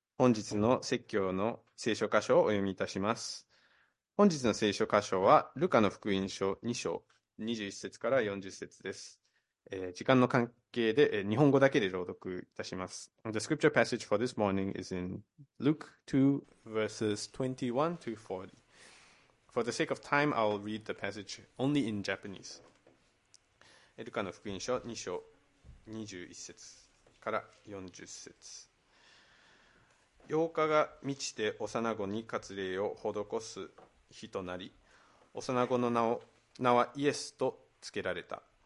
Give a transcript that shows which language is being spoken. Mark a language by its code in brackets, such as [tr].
[ja] 本日の説教の聖書箇所をお読みいたします。本日の聖書箇所は、ルカの福音書2章、21節から40節です。時間の関係で、日本語だけで朗読いたします。 [en] The scripture passage for this morning is in Luke 2, verses 21 to 40. For the sake of time, I'll read the passage only in Japanese. [ja] ルカの福音書2章、21節から40節。 8日が満ちて幼子に割礼を施す日となり、幼子の名はイエスと付けられた。